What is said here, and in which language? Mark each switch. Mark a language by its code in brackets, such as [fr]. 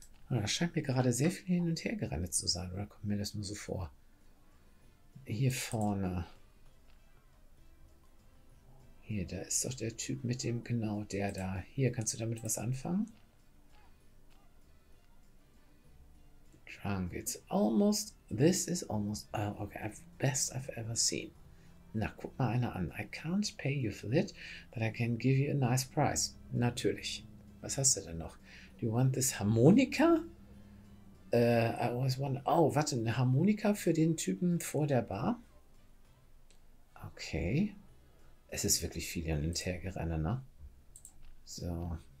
[de] Oh, da scheint mir gerade sehr viel hin und her gerannt zu sein. Oder kommt mir das nur so vor? Hier vorne... Hier, da ist doch der Typ mit dem, genau der da. Hier, kannst du damit was anfangen? [en] Drunk, it's almost, this is almost, okay, best I've ever seen. [de] Na, guck mal einer an. [en] I can't pay you for that, but I can give you a nice price. [de] Natürlich. Was hast du denn noch? [en] Do you want this harmonica? I always want, [de] oh, warte, eine Harmonika für den Typen vor der Bar? Okay. Es ist wirklich viel hin und her gerannt, ne? So.